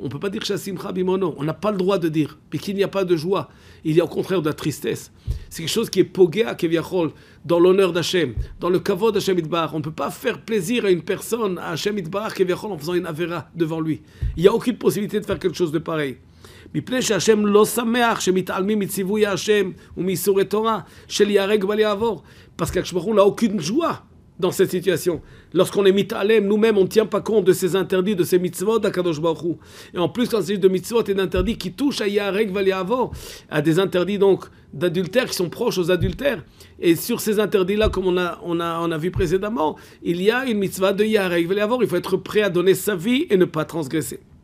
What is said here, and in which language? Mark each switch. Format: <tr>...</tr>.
<fr>On ne peut pas dire Shasimcha Bimono. On n'a pas le droit de dire. Mais qu'il n'y a pas de joie. Il y a au contraire de la tristesse. C'est quelque chose qui est pogéa, Kevichol, dans l'honneur d'Hachem, dans le kavod d'Hachem Itbar. On ne peut pas faire plaisir à une personne, à Hachem Itbar, Kevichol, en faisant une avera devant lui. Il n'y a aucune possibilité de faire quelque chose de pareil.</fr> <he>מפני שהשם לא שמח שמתעלמים מציווי השם ומאיסורי תורה של יהרג בל יעבור.</he> <fr>Parce qu'Hachem Baruch Hu n'a aucune joie dans cette situation. Lorsqu'on est mitalem, nous-mêmes, on ne tient pas compte de ces interdits, de ces mitzvot d'Hakadosh Baruch Hu. Et en plus, quand il s'agit de mitzvot et d'interdits qui touchent à yahareg val yavor, à des interdits donc d'adultères qui sont proches aux adultères. Et sur ces interdits-là, comme on a vu précédemment, il y a une mitzvah de yahareg val yavor. Il faut être prêt à donner sa vie et ne pas transgresser.</fr>